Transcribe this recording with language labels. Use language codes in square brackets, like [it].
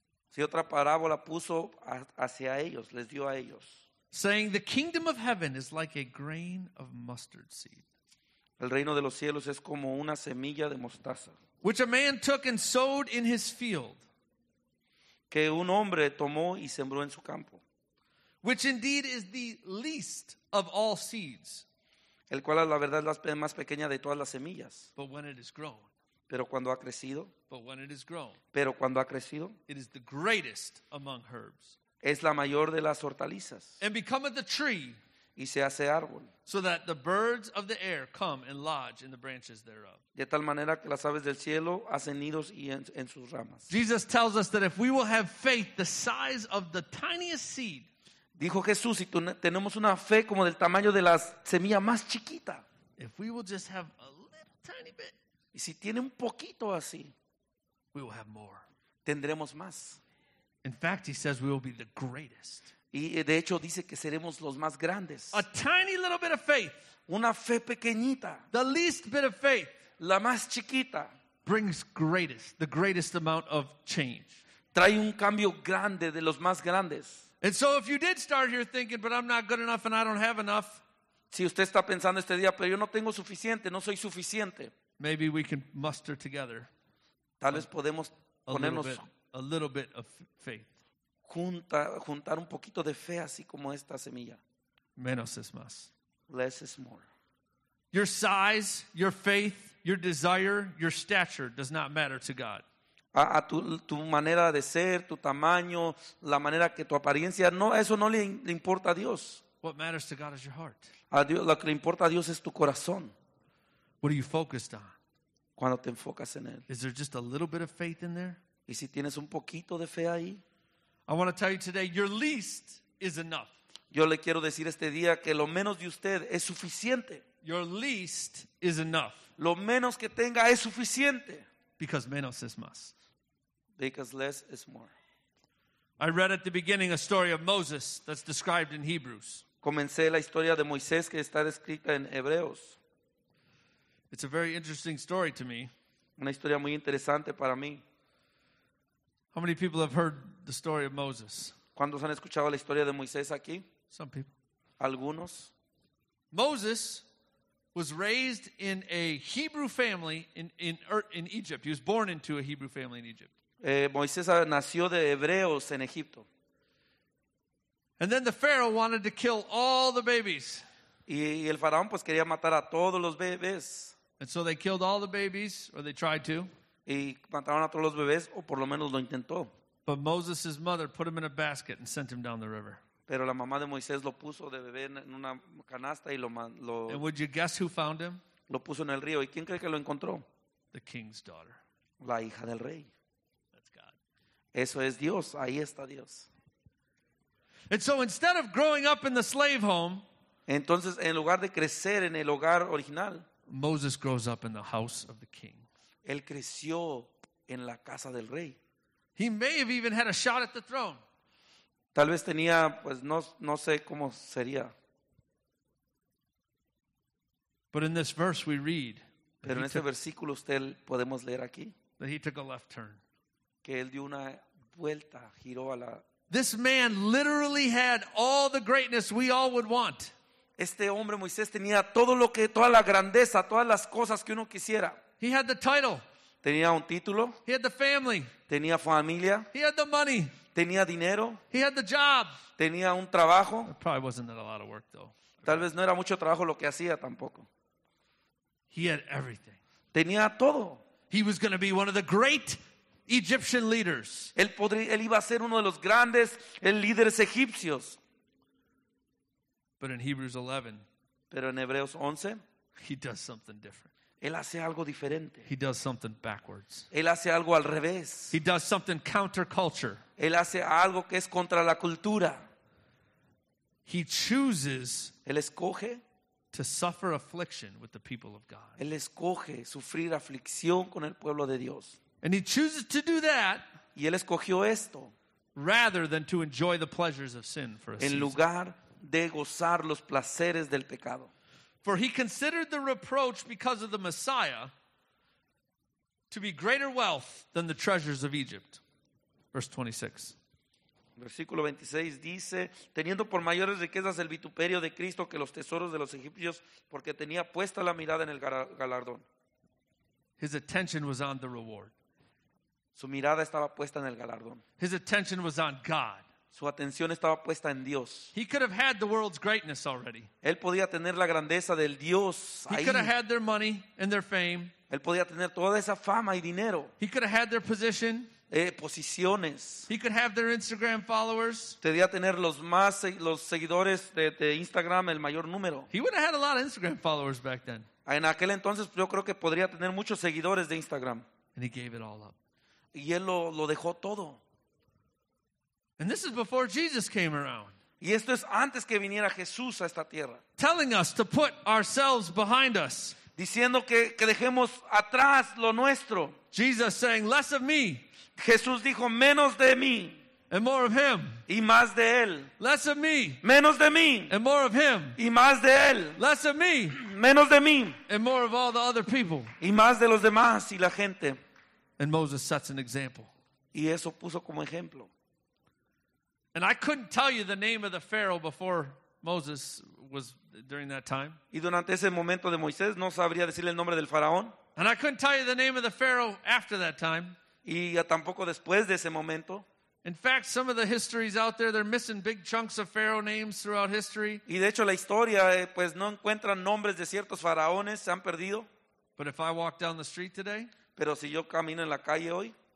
[es] Si otra parábola puso hacia ellos, les dio a ellos. [en] Saying, the kingdom of heaven is like a grain of mustard seed. [es] El reino de los cielos es como una semilla de mostaza. [en] Which a man took and sowed in his field. [es] Que un hombre tomó y sembró en su campo. [en] Which indeed is the least of all seeds. [es] El cual a la verdad es la más pequeña de todas las semillas. [en] But when it is grown. [es] Pero cuando ha crecido. [en] But when it is grown. [es] Pero cuando ha crecido. [en] It is the greatest among herbs. [es] Es la mayor de las hortalizas. [en] And becometh a tree. [es] Y se hace árbol. [en] So that the birds of the air come and lodge in the branches thereof. [es] De tal manera que las aves del cielo hacen nidos y en sus ramas. [en] Jesus tells us that if we will have faith the size of the tiniest seed. [es] Dijo Jesús, si tenemos una fe como del tamaño de la semilla más chiquita. [en] If we will just have a little tiny bit. [es] Y si tiene un poquito así. [en] We will have more. [es] Tendremos más. [en] In fact, he says we will be the greatest. [es] Y de hecho dice que seremos los más grandes. [en] A tiny little bit of faith. [es] Una fe pequeñita. [en] The least bit of faith. [es] La más chiquita. [en] Brings greatest, the greatest amount of change. [es] Trae un cambio grande de los más grandes. [en] And so if you did start here thinking, but I'm not good enough and I don't have enough. [es] Si usted está pensando este día, pero yo no tengo suficiente, no soy suficiente. [en] Maybe we can muster together. [es] Tal vez podemos ponernos. [en] A little bit of faith. [es] Juntar un poquito de fe así como esta semilla. Menos es más. [en] Less is more. Your size, your faith, your desire, your stature does not matter to God. [es] A tu manera de ser, tu tamaño, la manera que tu apariencia, no, eso no le importa a Dios. [en] What matters to God is your heart. [es] A Dios, lo que le importa a Dios es tu corazón. [en] What are you focused on? [es] Cuando te enfocas en él. [en] Is there just a little bit of faith in there? [es] ¿Y si tienes un poquito de fe ahí? [en] I want to tell you today, your least is enough. [es] Yo le quiero decir este día que lo menos de usted es suficiente. [en] Your least is enough. [es] Lo menos que tenga es suficiente. [en] Because [es] menos es más. [en] Because less is more. I read at the beginning a story of Moses that's described in Hebrews. [es] Comencé la historia de Moisés que está descrita en Hebreos. [en] It's a very interesting story to me. [es] Una historia muy interesante para mí. [en] How many people have heard the story of Moses? [es] ¿Cuántos han escuchado la historia de Moisés aquí? [en] Some people. [es] Algunos. [en] Moses was raised in a Hebrew family in Egypt. He was born into a Hebrew family in Egypt. [es] Moisés nació de hebreos en Egipto. [en] And then the Pharaoh wanted to kill all the babies. [es] Y el faraón pues quería matar a todos los bebés. [en] And so they killed all the babies, or they tried to. [es] Y mataron a todos los bebés, o por lo menos lo intentó. [en] But Moses' mother put him in a basket and sent him down the river. [es] Pero la mamá de Moisés lo puso de bebé en una canasta y lo. [en] And would you guess who found him? [es] Lo puso en el río. ¿Y quién cree que lo encontró? [en] The king's daughter. [es] La hija del rey. [en] That's God. [es] Eso es Dios. Ahí está Dios. [en] And so instead of growing up in the slave home, [es] Entonces, en lugar de crecer en el hogar original, [en] Moses grows up in the house of the king. [es] Él creció en la casa del rey. [en] He may have even had a shot at the throne. [es] Tal vez tenía, pues no sé cómo sería. [en] But in this verse we read, [es] pero en este versículo usted podemos leer aquí, [en] that he took a left turn. [es] Que él dio una vuelta, giró a la. [en] This man literally had all the greatness we all would want. [es] Este hombre Moisés tenía todo lo que, toda la grandeza, todas las cosas que uno quisiera. [en] He had the title. [es] Tenía un título. [en] He had the family. [es] Tenía familia. [en] He had the money. [es] Tenía dinero. [en] He had the job. [es] Tenía un trabajo. [en] It probably wasn't a lot of work though. [es] Tal vez no era mucho trabajo lo que hacía tampoco. [en] He had everything. [es] Tenía todo. [en] He was going to be one of the great Egyptian leaders. [es] Él iba a ser uno de los grandes líderes egipcios. [en] But in Hebrews 11, [es] pero en Hebreos 11, [en] he does something different. [es] Él hace algo diferente. [en] He does something backwards. [es] Él hace algo al revés. [en] He does something counterculture. [es] Él hace algo que es contra la cultura. [en] He chooses, [es] él escoge, [en] to suffer affliction with the people of God. [es] Él escoge sufrir aflicción con el pueblo de Dios. [en] And he chooses to do that, [es] y él escogió esto, [en] rather than to enjoy the pleasures of sin for a season. [es] En lugar de gozar los placeres del pecado. [en] For he considered the reproach because of the Messiah to be greater wealth than the treasures of Egypt. Verse 26. [es] Versículo 26 dice, teniendo por mayores riquezas el vituperio de Cristo que los tesoros de los egipcios, porque tenía puesta la mirada en el galardón. [en] His attention was on the reward. [es] Su mirada estaba puesta en el galardón. [en] His attention was on God. [es] Su atención estaba puesta en Dios. [en] He could have had the world's greatness already. [es] Él podía tener la grandeza del Dios ahí. [en] He could have had their money and their fame. [es] Él podía tener toda esa fama y dinero. [en] He could have had their position. [es] Posiciones. [en] He could have their Instagram followers. [es] Podía tener los seguidores de Instagram, el mayor número. [en] He would have had a lot of Instagram followers back then. [es] En aquel entonces yo creo que podría tener muchos seguidores de Instagram. [en] And he gave it all up. [es] Y él lo dejó todo. [en] And this is before Jesus came around. [es] Y esto es antes que viniera Jesús a esta tierra. [en] Telling us to put ourselves behind us. [es] Diciendo que dejemos atrás lo nuestro. [en] Jesus saying, less of me. [es] Jesús dijo, menos de mí. [en] And more of him. [es] Y más de él. [en] Less of me. [es] Menos de mí. [en] And more of him. [es] Y más de él. [en] Less of me. [es] Menos de mí. [en] And more of all the other people. [es] Y más de los demás y la gente. [en] And Moses sets an example. [es] Y eso puso como ejemplo. [en] And I couldn't tell you the name of the Pharaoh before Moses was during that time. [es] Y durante ese momento de Moisés no sabría decirle el nombre del faraón. [en] And I couldn't tell you the name of the Pharaoh after that time. [es] Y tampoco después de ese momento. [en] In fact, some of the histories out there, they're missing big chunks of Pharaoh names throughout history. [es] Y de hecho la historia, pues no encuentran nombres de ciertos faraones, se han perdido. [en] But if I walk down the street today, [es] pero si yo camino en la calle hoy,